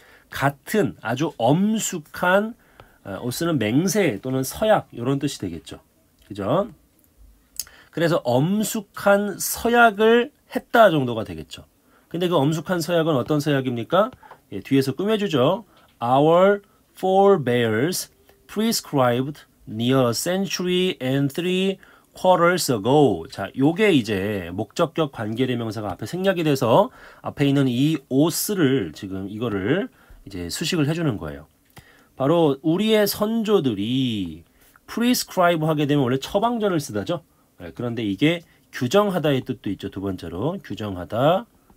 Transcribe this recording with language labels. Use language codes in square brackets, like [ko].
[ko] 같은 아주 엄숙한 oath는 맹세 또는 서약 이런 뜻이 되겠죠. 그죠? 그래서 엄숙한 서약을 했다 정도가 되겠죠. 근데 그 엄숙한 서약은 어떤 서약입니까? 예, 뒤에서 꾸며주죠. [en] Our forebears prescribed near a century and three quarters ago. [ko] 자, 요게 이제 목적격 관계대명사가 앞에 생략이 돼서 앞에 있는 이 os를 지금 이거를 이제 수식을 해주는 거예요. 바로 우리의 선조들이 prescribe 하게 되면 원래 처방전을 쓰다죠. 예, 그런데 이게 규정하다의 뜻도 있죠. 두 번째로 규정하다.